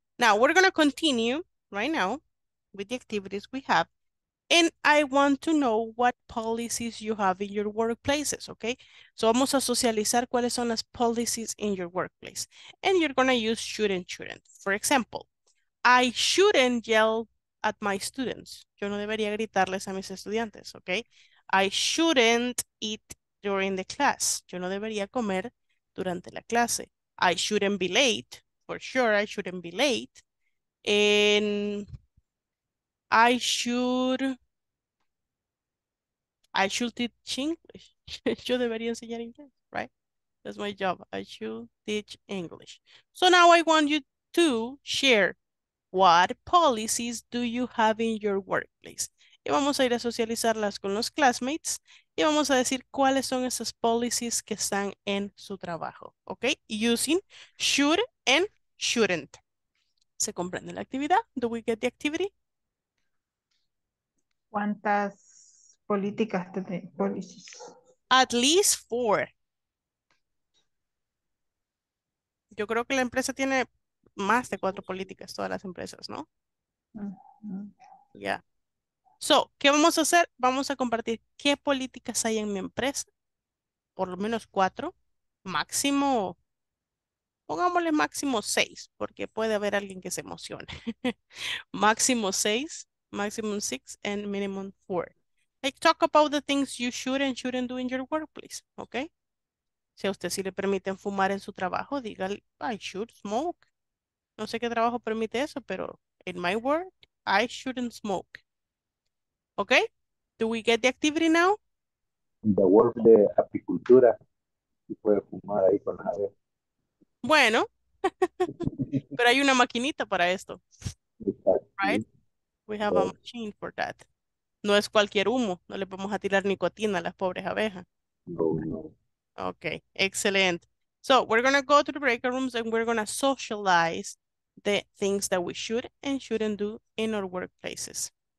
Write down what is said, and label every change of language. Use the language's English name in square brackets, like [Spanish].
[English] Now, we're going to continue right now with the activities we have. And I want to know what policies you have in your workplaces, okay? [Spanish] So vamos a socializar cuáles son las [English] policies in your workplace. And you're going to use should and shouldn't. For example, I shouldn't yell at my students. [Spanish] Yo no debería gritarles a mis estudiantes, okay? [English] I shouldn't eat during the class. [Spanish] Yo no debería comer durante la clase. [English] I shouldn't be late. For sure, I shouldn't be late. And I should teach English. [Spanish] Yo debería enseñar inglés, [English] right? That's my job. I should teach English. So now I want you to share what policies do you have in your workplace. [Spanish] Y vamos a ir a socializarlas con los classmates y vamos a decir cuáles son esas policies que están en su trabajo, okay? [English] Using should and shouldn't. [Spanish] ¿Se comprende la actividad? [English] Do we get the activity? [Spanish] ¿Cuántas políticas tiene? Policies. [English] At least 4. [Spanish] Yo creo que la empresa tiene más de cuatro políticas todas las empresas, ¿no? Yeah. So, ¿qué vamos a hacer? Vamos a compartir qué políticas hay en mi empresa. Por lo menos cuatro. Máximo, pongámosle máximo seis, porque puede haber alguien que se emocione. Máximo seis, [English] maximum six, and minimum four. Hey, talk about the things you should and shouldn't do in your workplace, okay? [Spanish] Si a usted sí le permiten fumar en su trabajo, dígale, [English] I should smoke. [Spanish] No sé qué trabajo permite eso, pero [English] in my work, I shouldn't smoke. Okay? Do we get the activity now? In the work [Spanish] de apicultura, si puede fumar ahí con las abejas. Bueno, pero hay una maquinita para esto. Exacto. [English] Right? We have a machine for that. [Spanish] No es cualquier humo, no le vamos a tirar nicotina a las pobres abejas. No, no. [English] Okay, excellent. So we're going to go to the breakout rooms and we're going to socialize the things that we should and shouldn't do in our workplaces.